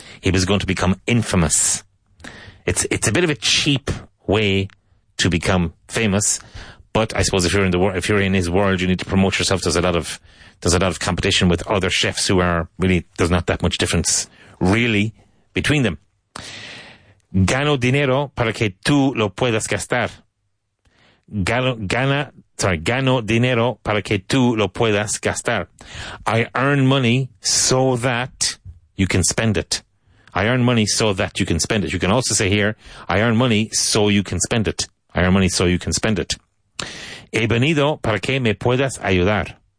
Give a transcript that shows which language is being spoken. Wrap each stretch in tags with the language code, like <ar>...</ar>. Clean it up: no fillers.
<en>He was going to become infamous. It's a bit of a cheap way to become famous, but I suppose if you're in his world, you need to promote yourself. There's a lot of competition with other chefs who are really, there's not that much difference really between them.</en> <es>Gano dinero para que tú lo puedas gastar. Gana Sorry, gano dinero para que tú lo puedas gastar.</es> <en>I earn money so that you can spend it. I earn money so that you can spend it. You can also say here, I earn money so you can spend it. I earn money so you can spend it.</en> <es>He venido para que me puedas ayudar.</es>